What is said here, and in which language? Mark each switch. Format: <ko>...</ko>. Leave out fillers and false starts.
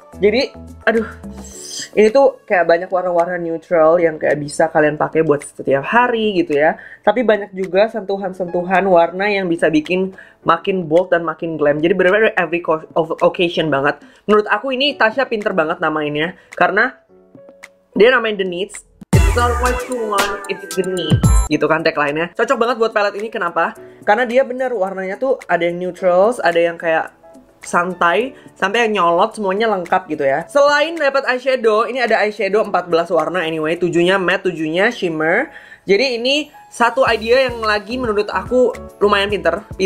<id>Jadi, ini tuh kayak banyak warna-warna neutral yang kayak bisa kalian pakai buat setiap hari gitu ya. Tapi banyak juga sentuhan-sentuhan warna yang bisa bikin makin bold dan makin glam. Jadi bener-bener</id> <en>every occasion</en> <id>banget. Menurut aku ini Tasya pinter banget namainnya, karena dia namain The Needs.</id> <en>It's not what you want, it's the need.</en> <id>Gitu kan tagline-nya. Cocok banget buat palette ini, kenapa? Karena dia bener warnanya tuh ada yang neutrals, ada yang kayak santai, sampai yang nyolot, semuanya lengkap gitu ya. Selain dapat eyeshadow, ini ada eyeshadow 14 warna anyway. 7-nya matte, 7-nya shimmer. Jadi ini satu idea yang lagi menurut aku lumayan pinter.</id>